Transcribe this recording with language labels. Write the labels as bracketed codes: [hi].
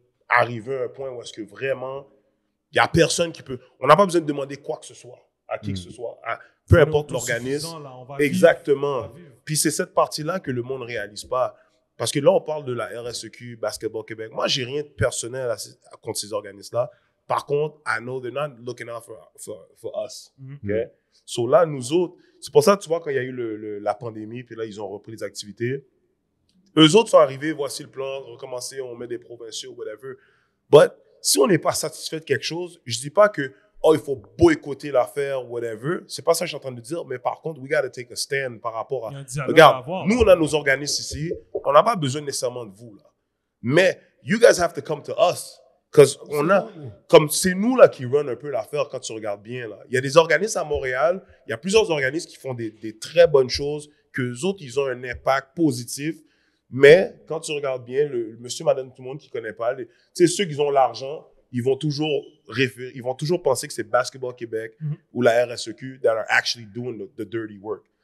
[fr] Arriver à un point où est-ce que vraiment, il n'y a personne qui peut. On n'a pas besoin de demander quoi que ce soit à qui que ce soit, peu importe l'organisme. Exactement. Puis c'est cette partie-là que le monde ne réalise pas. Parce que là, on parle de la RSEQ, Basketball Québec. Moi, je n'ai rien de personnel contre ces organismes-là. Par contre, [en] I know they're not looking out for us. Mm-hmm. Okay? [fr] So là, nous autres, c'est pour ça, tu vois, quand il y a eu la pandémie, puis là, ils ont repris les activités. Eux autres sont arrivés, voici le plan, recommencer, on met des provinciaux, whatever. [en] But [fr] si on n'est pas satisfait de quelque chose, je ne dis pas que, oh, il faut boycotter l'affaire, whatever. C'est pas ça que je suis en train de dire, mais par contre, [en] we gotta take a stand [fr] par rapport à. Regarde, nous, on a nos organismes ici. On n'a pas besoin nécessairement de vous, là. Mais, [en] you guys have to come to us. [fr] Cause on a. Comme c'est nous, là, qui run un peu l'affaire quand tu regardes bien, là. Il y a des organismes à Montréal. Il y a plusieurs organismes qui font des très bonnes choses, qu'eux autres, ils ont un impact positif. Mais, quand tu regardes bien, le monsieur, madame, tout le monde qui connaît pas, tu sais, ceux qui ont l'argent, ils vont toujours penser que c'est Basketball Québec ou la RSEQ [en] that are actually doing the dirty work.